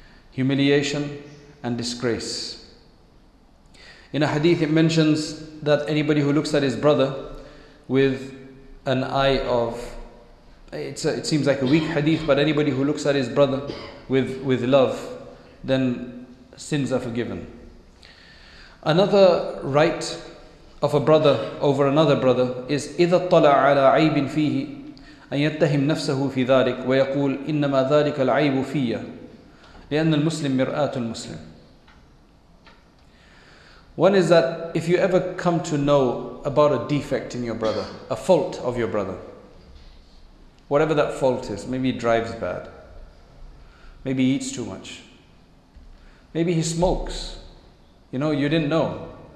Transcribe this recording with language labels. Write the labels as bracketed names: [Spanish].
[English] Humiliation and disgrace. In a hadith it mentions that anybody who looks at his brother with an eye of... it seems like a weak hadith, but anybody who looks at his brother with love, then sins are forgiven. Another right of a brother over another brother is [Arabic] إِذَا اطَّلَعَ عَلَىٰ عَيْبٍ فِيهِ أَنْ يَتَّهِمْ نَفْسَهُ فِي ذَلِكَ وَيَقُولُ إِنَّمَا ذَلِكَ الْعَيْبُ فِيَّ لِأَنَّ الْمُسْلِمْ مِرْآةُ الْمُسْلِمِ. [English] One is that if you ever come to know about a defect in your brother, a fault of your brother, whatever that fault is, maybe he drives bad, maybe he eats too much, maybe he smokes, you know, you didn't know.